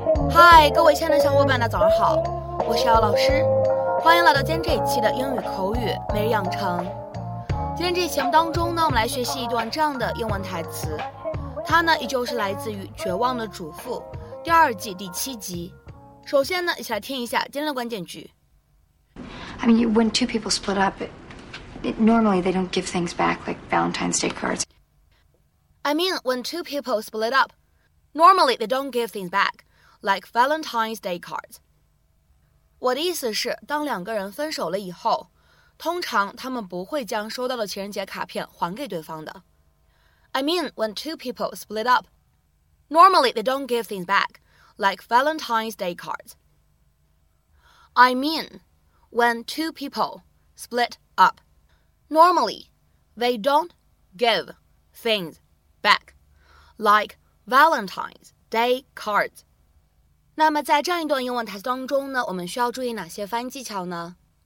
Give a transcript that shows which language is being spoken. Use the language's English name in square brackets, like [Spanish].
[Chinese] 嗨，各位亲爱的小伙伴，大早上好，我是姚老师，欢迎来到今天这一期的英语口语每日养成。今天这一期节目当中呢，我们来学习一段这样的英文台词，它呢依旧是来自于《绝望的主妇》第二季第七集。首先呢，一起来听一下今天的关键句。 [English] I mean, when two people split up, it normally they don't give things back like Valentine's Day cards. I mean, when two people split up, normally they don't give things back. Like Valentine's Day cards. [Chinese] 我的意思是，当两个人分手了以后，通常他们不会将收到的情人节卡片还给对方的。 [English] I mean, when two people split up, normally they don't give things back, like Valentine's Day cards. I mean, when two people split up, normally they don't give things back, like Valentine's Day cards. [Chinese] 那么在这样一段英文台词当中呢，我们需要注意哪些发音技巧呢？